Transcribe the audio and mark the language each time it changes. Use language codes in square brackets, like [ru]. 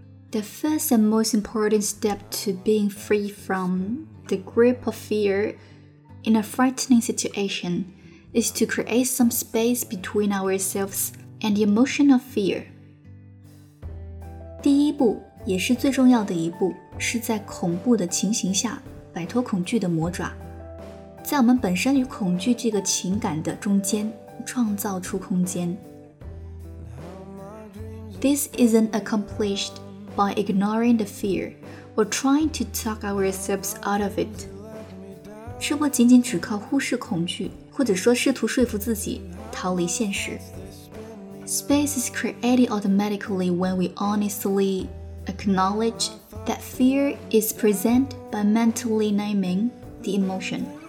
[en] The first and most important step to being free from the grip of fear in a frightening situation is to create some space between ourselves and the emotion of fear。 [zh] 第一步也是最重要的一步，是在恐怖的情形下摆脱恐惧的魔爪，在我们本身与恐惧这个情感的中间创造出空间。 [en] This isn't accomplished by ignoring the fear or trying to talk ourselves out of it. [zh] 这不仅仅只靠忽视恐惧，或者说试图说服自己逃离现实。 [en] Space is created automatically when we honestly acknowledge that fear is present by mentally naming the emotion.